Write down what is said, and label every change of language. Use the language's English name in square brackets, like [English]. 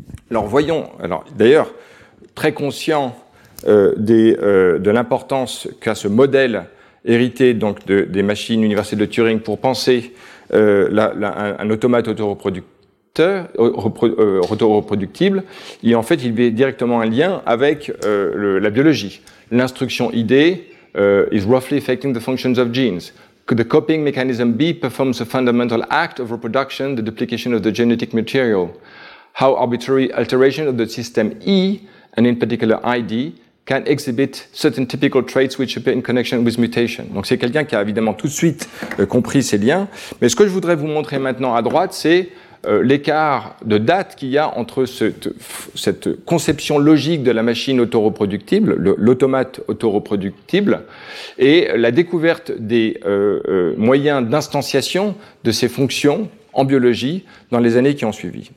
[French] Alors voyons, alors d'ailleurs, très conscient de l'importance qu'a ce modèle hérité donc des machines universelles de Turing pour penser un automate autoreproducteur, récepteur auto-reproductible, et en fait, il y a directement un lien avec la biologie. [English] L'instruction ID is roughly affecting the functions of genes. Could the copying mechanism B performs a fundamental act of reproduction, the duplication of the genetic material? How arbitrary alteration of the system E, and in particular ID, can exhibit certain typical traits which appear in connection with mutation. [French] Donc c'est quelqu'un qui a évidemment tout de suite compris ces liens. Mais ce que je voudrais vous montrer maintenant à droite, c'est l'écart de date qu'il y a entre cette conception logique de la machine autoreproductible, l'automate autoreproductible, et la découverte des moyens d'instanciation de ces fonctions en biologie, dans les années qui ont suivi.